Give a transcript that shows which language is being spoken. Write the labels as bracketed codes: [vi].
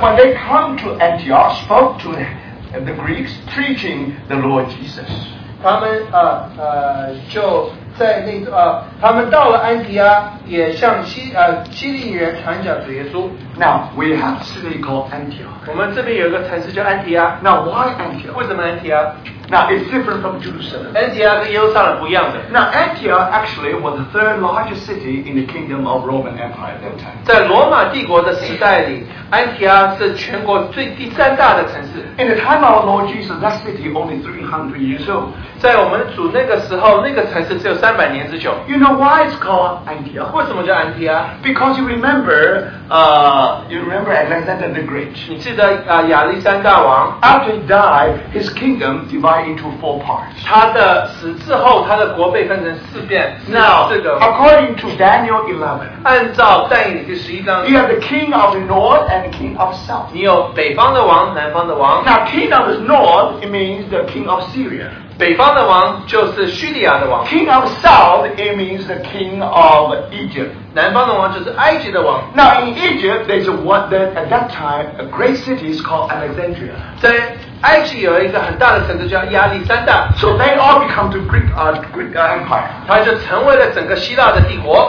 [en] when they come to Antioch, spoke to the Greeks, preaching the Lord Jesus. [zh] 他们就在那个他们到了安提阿，也向希利人传讲主耶稣。 [en] Now we have a city called Antioch. [zh] 我们这边有一个城市叫安提阿。 [en] Now why Antioch? [zh] 为什么安提阿？ [en] Now it's different from Jerusalem. [zh] 安提阿跟耶路撒冷不一样的。 [en] Now Antioch actually was the third largest city in the kingdom of Roman Empire at that time. [zh] 在罗马帝国的时代里，安提阿是全国最第三大的城市。 [en] In the time of our Lord Jesus, that city only 300 years old. [zh] 在我们主那个时候，那个城市只有300年之久。 [en] You know why it's called Antioch? [zh] 为什么叫安提阿？ [en] Because you remember Alexander the Great. [zh] 你记得亚历山大王。 [en] After he died, his kingdom divided into four parts. [zh] 他的死之后，他的国被分成四边。 [en] Now, according to Daniel 11, [zh] 按照但以理书十一章， [en] you have the king of the north and the king of south. [zh] 你有北方的王，南方的王。 [en] Now, king of the north, it means the king of Syria. [zh] 北方的王就是叙利亚的王。 [en] King of South, it means the king of Egypt. [zh] 南方的王就是埃及的王。 [en] Now in Egypt, there's one that at that time, a great city is called Alexandria. [zh] 在埃及有一个很大的城市叫亚历山大。 [en] So they all become the Greek empire. [zh] 它就成为了整个希腊的帝国。